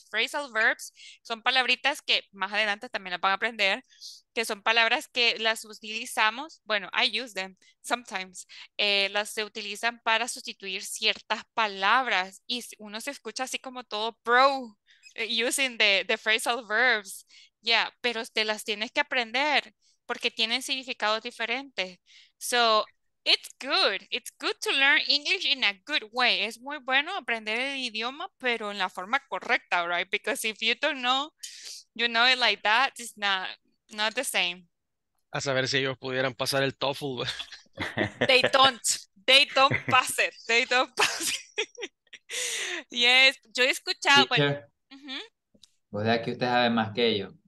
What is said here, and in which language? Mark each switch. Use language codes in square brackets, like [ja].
[es] Phrasal verbs son palabritas que más adelante también las van a aprender, que son palabras que las utilizamos, bueno, [en] I use them sometimes, [es] las se utilizan para sustituir ciertas palabras y uno se escucha así como todo pro [en] using the phrasal verbs. [es] Yeah, pero te las tienes que aprender porque tienen significados diferentes. [en] So, it's good. It's good to learn English in a good way. [es] Es muy bueno aprender el idioma, pero en la forma correcta, right? [en] Because if you don't know, you know it like that, it's not the same. [es] A saber si ellos pudieran pasar el TOEFL. [en] They don't. They don't pass it. They don't pass it. [es] Yes, yo he escuchado. Teacher, bueno, o sea que usted sabe más que yo.